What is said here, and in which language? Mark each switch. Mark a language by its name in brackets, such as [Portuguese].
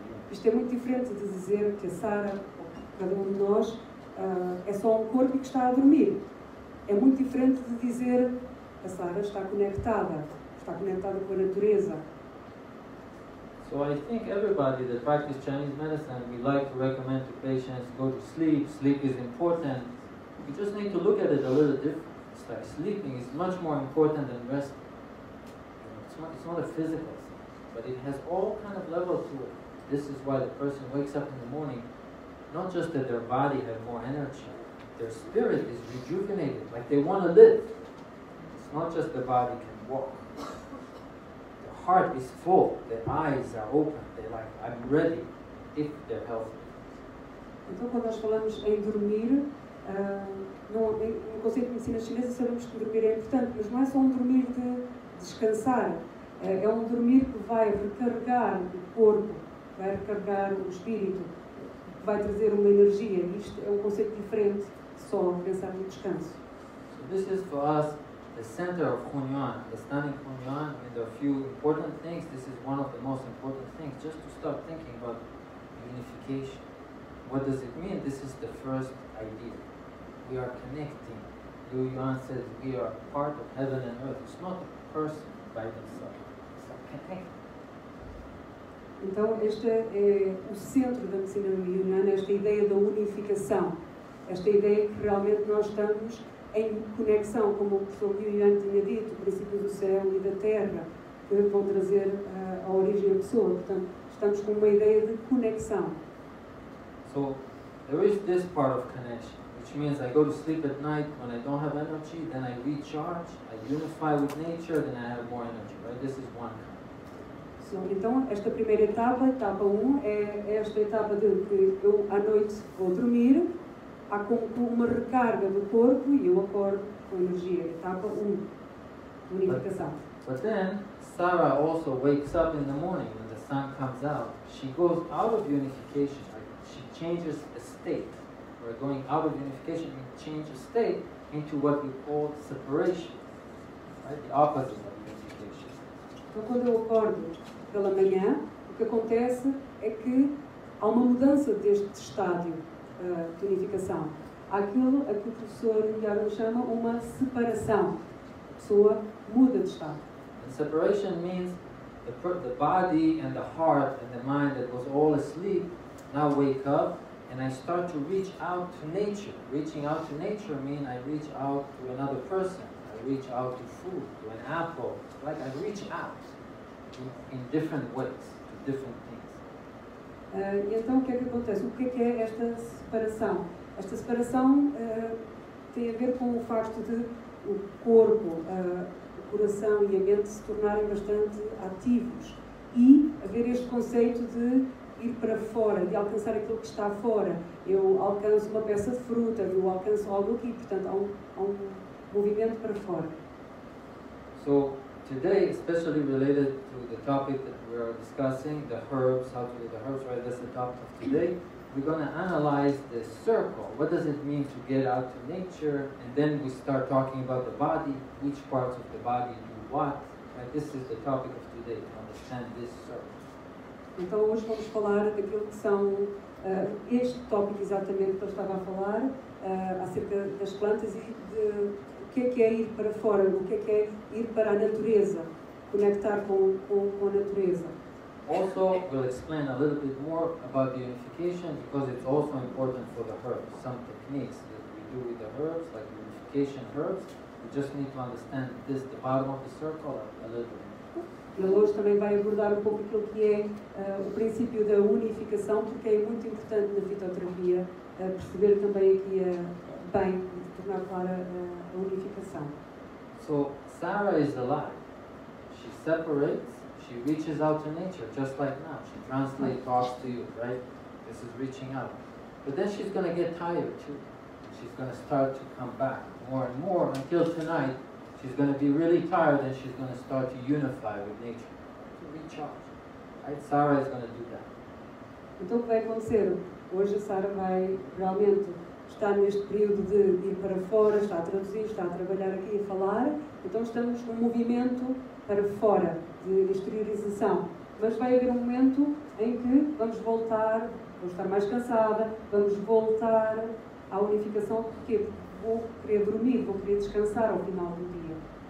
[Portuguese] Isto é muito diferente de dizer que a Sara, ou cada de nós, é só corpo que está a dormir. É muito diferente de dizer a Sara está conectada com a natureza. [English] So I think everybody that practices Chinese medicine, we like to recommend to patients go to sleep. Sleep is important. You just need to look at it a little different. It's like sleeping is much more important than resting. You know, it's not a physical thing, but it has all kind of levels to it. This is why the person wakes up in the morning, not just that their body has more energy, their spirit is rejuvenated, like they want to live. It's not just the body can walk. Their heart is full, their eyes are open, they're like, I'm ready, if they're healthy. [Portuguese] Então, quando nós falamos em dormir, no conceito de medicina chinesa sabemos que dormir é importante, mas não é só dormir de descansar, é dormir que vai recarregar o corpo, vai recarregar o espírito, vai trazer uma energia. Isto é conceito diferente só pensar no descanso. [English] So this is for us the center of Hun Yuan, understanding Hun Yuan and a few important things. This is one of the most important things, just to start thinking about unification. What does it mean? This is the first idea. We are connecting. Liu Yuan says we are part of heaven and earth. It's not a person by themselves. It's a connection. [Portuguese] Então, este é o centro da medicina yuniana, esta ideia da unificação. Esta ideia que realmente nós estamos em conexão, como o professor Liu Yuan tinha dito, princípios do céu e da terra, que vão trazer a origem da pessoa. Portanto, estamos com uma ideia de conexão. [English] So, there is this part of connection. Which means I go to sleep at night when I don't have energy, then I recharge, I unify with nature, then I have more energy, right? This is one kind. [Portuguese] So, então, esta primeira etapa, etapa 1, é esta etapa de que eu, à noite, vou dormir, há como uma recarga do corpo e eu acordo com energia. Etapa 1, unificação. [English] But then, Sara also wakes up in the morning when the sun comes out. She goes out of unification, right? She changes a state. We're going out of unification and change of state into what we call separation, right? The opposite of unification. [Portuguese] Então, quando eu acordo pela manhã, o que acontece é que há uma mudança deste estádio de unificação. Há aquilo a que o professor Yaro chama uma separação. A pessoa muda de estado. [English] And separation means the body and the heart and the mind that was all asleep now wake up. And I start to reach out to nature. Reaching out to nature means I reach out to another person. I I reach out to food, to an apple, like I reach out in different ways, to different things. [Portuguese] E então o que é que acontece? O que é esta separação? Esta separação tem a ver com o facto de o corpo, o coração e a mente se tornarem bastante ativos e haver este conceito de ir para fora, de alcançar aquilo que está fora. Eu alcanço uma peça de fruta, eu alcanço algo aqui, portanto há um movimento para fora. [English] So, today, especially related to the topic that we are discussing, the herbs, how to eat the herbs, right? That's the topic of today. We're going to analyze the circle. What does it mean to get out to nature? And then we start talking about the body, which parts of the body do what. Right? This is the topic of today, to understand this circle. [Portuguese] Então hoje vamos falar daquilo que são este tópico exatamente que eu estava a falar, acerca das plantas e de o que é ir para fora, o que é ir para a natureza, conectar com a natureza. [English] Also, we'll explain a little bit more about the unification, because it's also important for the herbs. Some techniques that we do with the herbs, like unification herbs, we just need to understand this, the bottom of the circle, a little bit. [Portuguese] Ele hoje também vai abordar um pouco aquilo que é o princípio da unificação, porque é muito importante na fitoterapia perceber também aqui bem, tornar clara a unificação. [English] So, Sarah is alive. She separates. She reaches out to nature, just like now. She translates, talks to you, right? This is reaching out. But then she's going to get tired, too. She's going to start to come back more and more until tonight. She's going to be really tired, and she's going to start to unify with nature, to reach out. Right? Sarah is going to do that. [Portuguese] Então, o que vai acontecer? Hoje, Sarah vai realmente estar neste período de ir para fora, está a traduzir, está a trabalhar aqui e falar. Então, estamos num movimento para fora, de exteriorização, mas vai haver um momento em que vamos voltar, vou estar mais cansada, vamos voltar à unificação, porque vou querer dormir, vou querer descansar ao final do dia.